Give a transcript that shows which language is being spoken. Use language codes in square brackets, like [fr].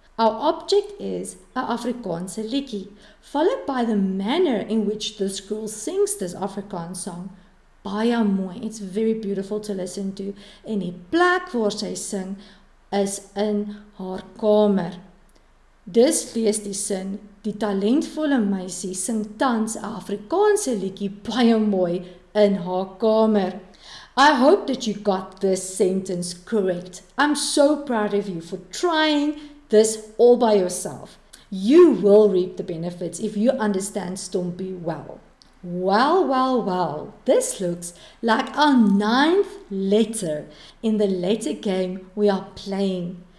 [en] Our object is [af] 'n Afrikaanse liedjie. [en] Followed by the manner in which this girl sings this Afrikaans song. [af] Baie mooi, [en] it's very beautiful to listen to. [af] En die plek waar sy sing is in haar kamer. Dus lees die sin, die talentvolle meisie sing tans 'n Afrikaanse liedjie baie mooi in haar kamer. [en] I hope that you got this sentence correct. I'm so proud of you for trying this all by yourself. You will reap the benefits if you understand Stompy well. Well, well, well, this looks like our ninth letter in the letter game we are playing.